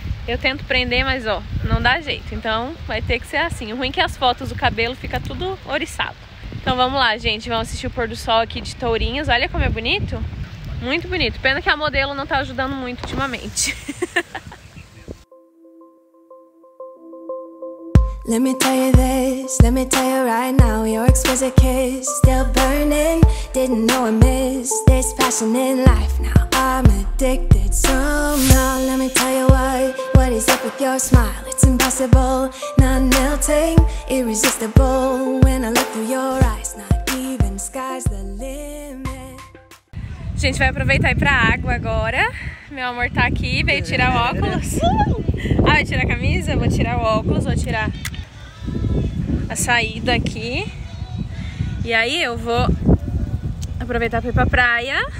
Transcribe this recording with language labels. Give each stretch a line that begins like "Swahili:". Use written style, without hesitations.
Portuguese: Eu tento prender, mas ó, não dá jeito. Então vai ter que ser assim. O ruim é que as fotos do cabelo fica tudo ouriçado. Então vamos lá, gente. Vamos assistir o pôr do sol aqui de Tourinhos. Olha como é bonito. Muito bonito. Pena que a modelo não tá ajudando muito ultimamente.
English: Let me tell you this, let me tell you right now. Your exquisite kiss still burning. Didn't know I missed this passion in life. Now I'm addicted somehow. Let me tell you why. What is up with your smile? It's impossible, not melting, irresistible. When I look through your eyes, not even sky's the limit.
Portuguese: Gente, vai aproveitar e ir pra água agora. Meu amor tá aqui, veio tirar o óculos. Ah, vai tirar a camisa? Vou tirar o óculos, vou tirar a saída aqui. E aí eu vou aproveitar pra ir pra praia.